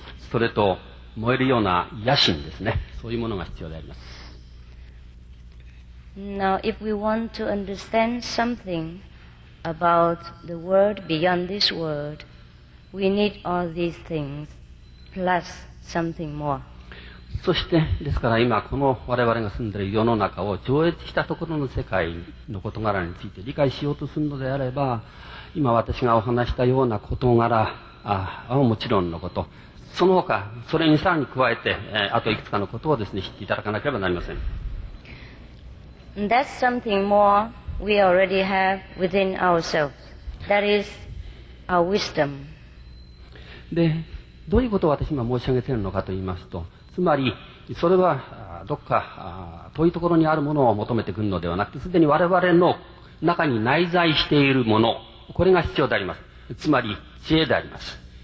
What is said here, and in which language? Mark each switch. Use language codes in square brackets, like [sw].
[ja] それと燃えるような野心ですね、そういうものが必要であります。 [en] Now, if we want to understand something about the world beyond this world, we need all these thingsPlus something more. [ja] そしてですから今この我々が住んでいる世の中を超越したところの世界の事柄について理解しようとするのであれば、今私がお話したような事柄はもちろんのこと、その他それにさらに加えて、あといくつかのことをですね、知っていただかなければなりません。 [en] That's something more we already have within ourselves. That is our wisdom. [ja] でどういうことを私今申し上げているのかと言いますと、つまりそれはどこか遠いところにあるものを求めてくるのではなくて、すでに我々の中に内在しているもの、これが必要であります。つまり知恵であります。